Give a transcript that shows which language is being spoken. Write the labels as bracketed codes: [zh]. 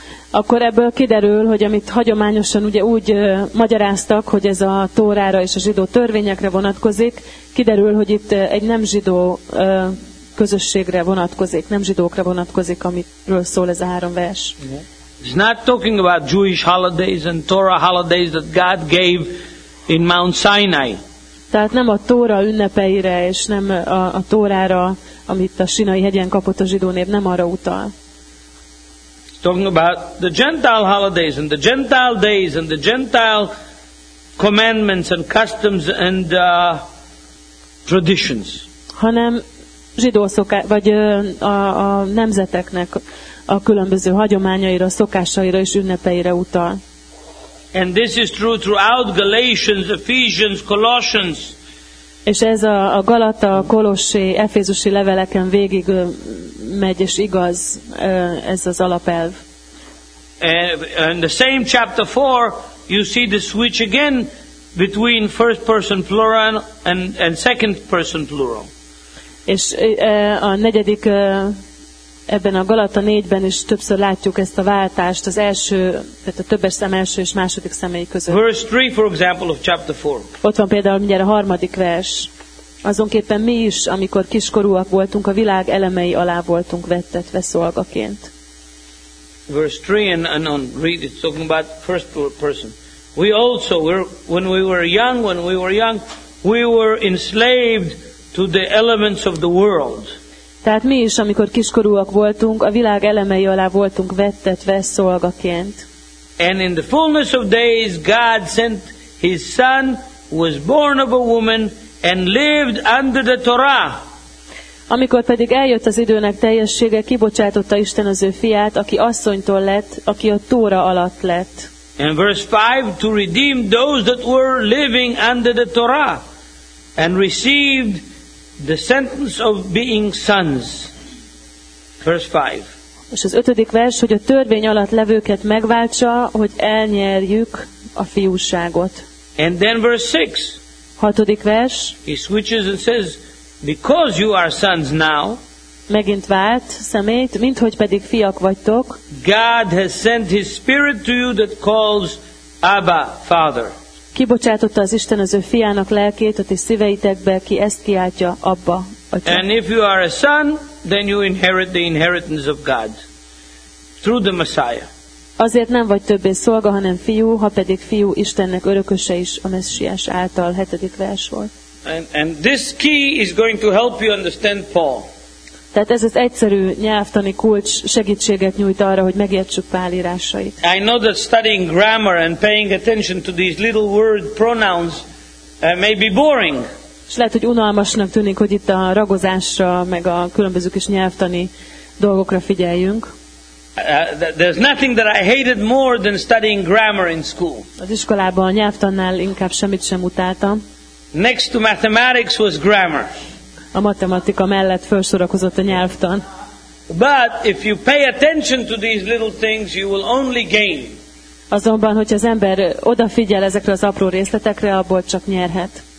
[hu] Akkor ebből kiderül, hogy amit hagyományosan ugye úgy magyaráztak, hogy ez a Tórára és a zsidó törvényekre vonatkozik, kiderül, hogy itt egy nem zsidó közösségre vonatkozik, nem zsidókra vonatkozik, amiről szól ez a három vers. [en] It's not talking about Jewish holidays and Torah holidays that God gave in Mount Sinai. [hu] Tehát nem a Tóra ünnepeire és nem a Tórára, amit a Sinai hegyen kapott a zsidó nép, nem arra utal. [en] Talking about the Gentile holidays and the Gentile days and the Gentile commandments and customs and traditions. [hu] Hanem zsidó vagy a nemzeteknek a különböző hagyományaira, szokásaira és ünnepeire utal. [en] And this is true throughout Galatians, Ephesians, Colossians. [hu] És ez a Galata, Kolossé, Efézusi leveleken végig megy, és igaz ez az alapelv. [en] And the same chapter 4 you see the switch again between first person plural and second person plural. [hu] És a negyedik ebben a Galata 4-ben is többször látjuk ezt a váltást az első, tehát a többes szem első és második személy között. [en] Verse 3, for example, of chapter 4. [hu] Ott van például mindjárt a harmadik vers. Azonképpen mi is, amikor kiskorúak voltunk, a világ elemei alá voltunk vettetve szolgaként. [en] Verse 3 and on, read it, talking about first person. We also, when we were young, we were enslaved to the elements of the world. [hu] Tehát mi is, amikor kiskorúak voltunk, a világ elemei alá voltunk vettetve szolgaként. [en] And in the fullness of days, God sent His Son, who was born of a woman, and lived under the Torah. [hu] Amikor pedig eljött az időnek teljessége, kibocsátotta Isten az ő fiát, aki asszonytól lett, aki a Tóra alatt lett. [en] And verse 5, to redeem those that were living under the Torah, and received the sentence of being sons. Verse 5. [hu] És az ötödik vers, hogy a törvény alatt levőket megváltsa, hogy elnyerjük a fiúságot. [en] And then verse 6. [hu] Hatodik vers. [en] He switches and says, because you are sons now, [hu] megint vált szemét, minthogy pedig fiak vagytok, [en] God has sent His Spirit to you that calls Abba, Father. [hu] Kibocsátotta az Isten az ő fiának lelkét a ti szíveitekbe, ki ezt kiáltja, Abba, Atya. [en] And if you are a son, then you inherit the inheritance of God through the Messiah. [hu] Azért nem vagy többé szolga, hanem fiú, ha pedig fiú, Istennek örököse is a Messiás által. Hetedik vers volt. [en] And this key is going to help you understand Paul. [hu] Tehát ez az egyszerű nyelvtani kulcs segítséget nyújt arra, hogy megértsük Pál írásait. [en] I know that studying grammar and paying attention to these little word pronouns may be boring. [hu] És lehet, hogy unalmasnak tűnik, hogy itt a ragozásra, meg a különböző kis nyelvtani dolgokra figyeljünk. [en] There's nothing that I hated more than studying grammar in school. [hu] Az iskolában a nyelvtannál inkább semmit sem utáltam. [en] Next to mathematics was grammar. [hu] A matematika mellett felsorakozott a nyelvtan. [en] But if you pay attention to these little things, you will only gain. [hu] Azonban, hogy az ember odafigyel ezekre az apró részletekre, abból csak nyerhet.